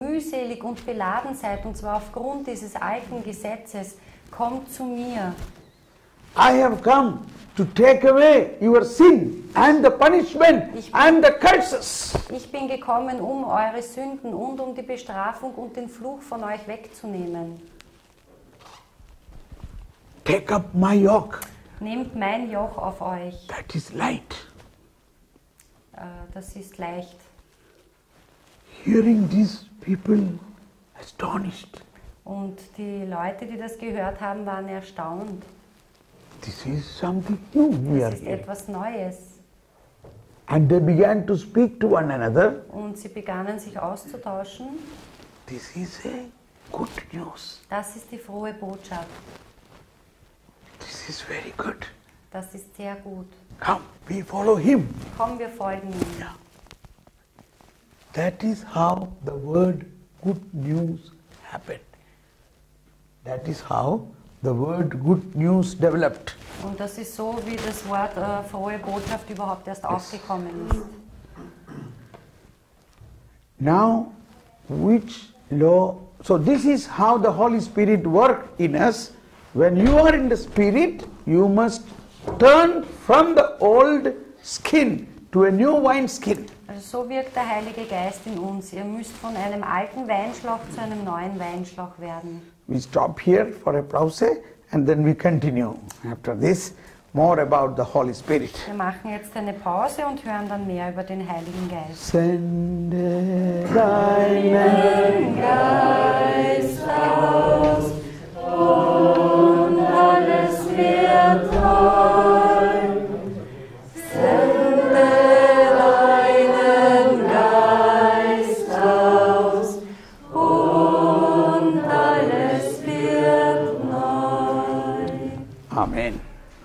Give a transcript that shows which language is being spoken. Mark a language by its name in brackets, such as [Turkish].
[German] mühselig und beladen seid, und zwar aufgrund dieses alten Gesetzes, kommt zu mir. [English] I have come to take away your sin and the punishment and the curses. [German] Ich bin gekommen, um eure Sünden und um die Bestrafung und den Fluch von euch wegzunehmen. [English] Take up my yoke. [German] Nehmt mein Joch auf euch. [English] That is light. [German] Das ist leicht. [English] Hearing these people astonished. [German] Und die Leute, die das gehört haben, waren erstaunt. [English] This is something new we [German] das [English] are [German] ist etwas Neues. [English] And they began to speak to one another. [German] Und sie begannen sich auszutauschen. [English] This is a good news. [German] Das ist die frohe Botschaft. [English] This is very good. [German] Das ist sehr gut. [English] Come, we follow him. [German] Komm, wir folgen ihm. [English] Yeah. That is how the word good news happened. That is how the word good news developed. [German] Und das ist so, wie das Wort frohe Botschaft überhaupt erst [English] yes. [German] aufgekommen ist. [English] Now, which law? So this is how the Holy Spirit worked in us. When you are in the Spirit, you must turn from the old skin to a new wine skin. [German] Also so wirkt der Heilige Geist in uns. Ihr müsst von einem alten Weinschlauch zu einem neuen Weinschlauch werden. [English] We stop here for a pause and then we continue after this more about the Holy Spirit. [German] Wir machen jetzt eine Pause und hören dann mehr über den Heiligen Geist. Sende deinen Geist aus und alles wird Amen.